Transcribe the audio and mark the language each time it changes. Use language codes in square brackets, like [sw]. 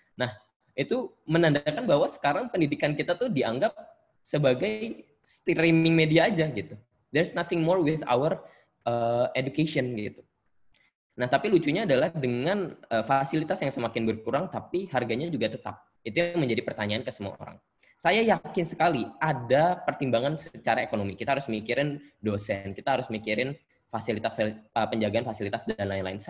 [id] Nah, itu menandakan bahwa sekarang pendidikan kita tuh dianggap sebagai streaming media aja gitu. [en] There's nothing more with our education gitu. [id] Nah, tapi lucunya adalah dengan fasilitas yang semakin berkurang, tapi harganya juga tetap. Itu yang menjadi pertanyaan ke semua orang. Saya yakin sekali ada pertimbangan secara ekonomi. Kita harus mikirin dosen, kita harus mikirin fasilitas penjagaan fasilitas dan lain-lain.